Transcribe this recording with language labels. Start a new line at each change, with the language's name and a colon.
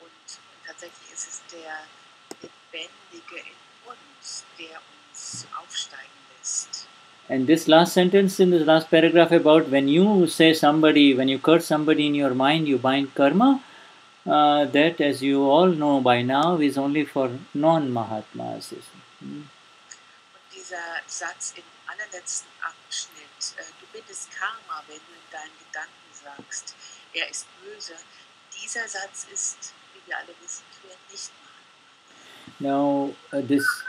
German: Und tatsächlich ist es der Lebendige in uns, der uns aufsteigen lässt.
English: And this last sentence in the last paragraph about when you say somebody, when you curse somebody in your mind, you bind karma, that, as you all know by now, is only for non-Mahatmas.
German: Und dieser Satz im allerletzten Abschnitt, du bindest Karma, wenn du in deinen Gedanken sagst, er ist böse. Dieser Satz ist, wie wir alle wissen, für Nicht-Mahatmas.
English: Now, this...